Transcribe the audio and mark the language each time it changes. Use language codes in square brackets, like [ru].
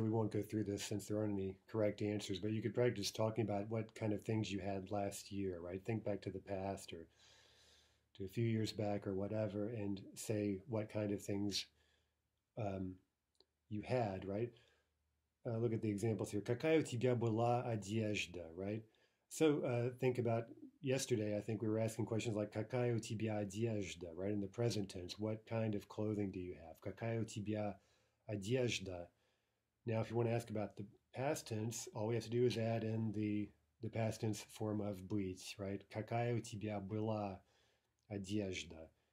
[en] So we won't go through this since there aren't any correct answers, but you could practice talking about what kind of things you had last year, right? Think back to the past or to a few years back or whatever, and say what kind of things you had, right? Look at the examples here. [ru] Какая у тебя была одежда, right? [en] So think about yesterday. I think we were asking questions like [ru] какая у тебя одежда, [en] right? In the present tense, what kind of clothing do you have? [ru] Какая у тебя одежда? [en] Now, if you want to ask about the past tense, all we have to do is add in the past tense form of быть, right? [ru] Какая у тебя была одежда?